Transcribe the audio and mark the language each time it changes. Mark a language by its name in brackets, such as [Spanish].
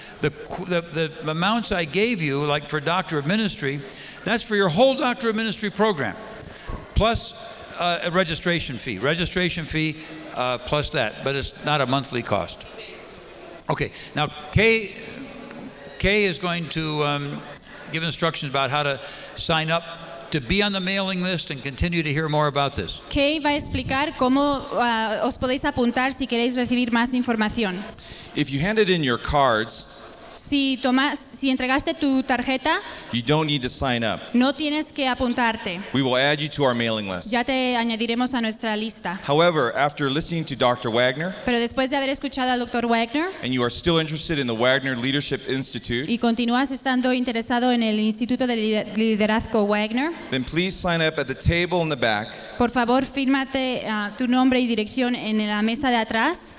[English] the amounts I gave you, like for Doctor of Ministry, that's for your whole Doctor of Ministry program, plus a registration fee. Registration fee plus that, but it's not a monthly cost. Okay, now Kay is going to give instructions about how to sign up to be on the mailing list and continue to hear more about this. [Spanish] Kay va a explicar cómo os podéis apuntar si queréis recibir más información. [English] If you handed in your cards, [Spanish] si entregaste tu tarjeta, [English] you don't need to sign up. [Spanish] No tienes que apuntarte. [English] We will add you to our mailing list. [Spanish] Ya te añadiremos a nuestra lista. [English] However, after listening to Dr. Wagner, [Spanish] pero después de haber escuchado al Dr. Wagner, [English] and you are still interested in the Wagner Leadership Institute, [Spanish] y continúas estando interesado en el Instituto de Liderazgo Wagner, [English] then please sign up at the table in the back. [Spanish] Por favor, fírmate tu nombre y dirección en la mesa de atrás.